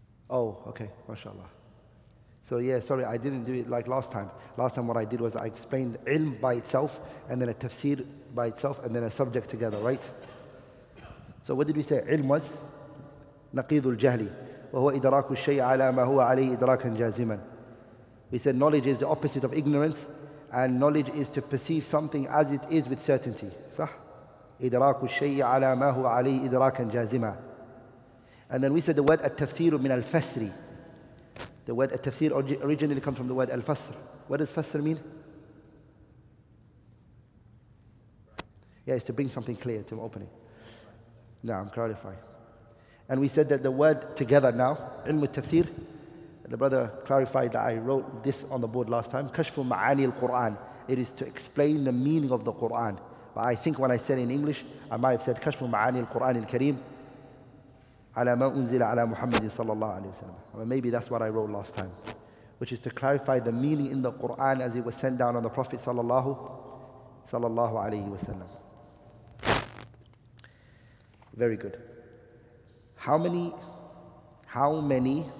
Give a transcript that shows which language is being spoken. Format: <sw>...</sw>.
<en>Oh, okay, mashallah. So yeah, sorry, I didn't do it like last time. Last time what I did was I explained ilm by itself and then a tafsir by itself and then a subject together, right? So what did we say? Ilm was naqidul jahli.</en> <ar>وهو إدراك الشيء على ما هو عليه إدراكا جازما.</ar> <en>We said knowledge is the opposite of ignorance and knowledge is to perceive something as it is with certainty.</en> <ar>صح? إدراك الشيء على ما هو عليه إدراكا جازما.</ar> <en>And then we said the word التفسير من الفسر. The word التفسير originally comes from the word الفسر. What does فسر mean? Yeah, it's to bring something clear, to open it. Now, I'm clarifying. And we said that the word together now, علم التفسير, the brother clarified that I wrote this on the board last time,</en> <ar>كشف معاني القرآن.</ar> <en>It is to explain the meaning of the Qur'an. But I think when I said in English, I might have said</en> <ar>كشف معاني القرآن الكريم. على ما أنزل على محمد صلى الله عليه وسلم.</ar> <en>Maybe that's what I wrote last time, which is to clarify the meaning in the Quran as it was sent down on the Prophet صلى الله عليه وسلم. Very good. How many?</en>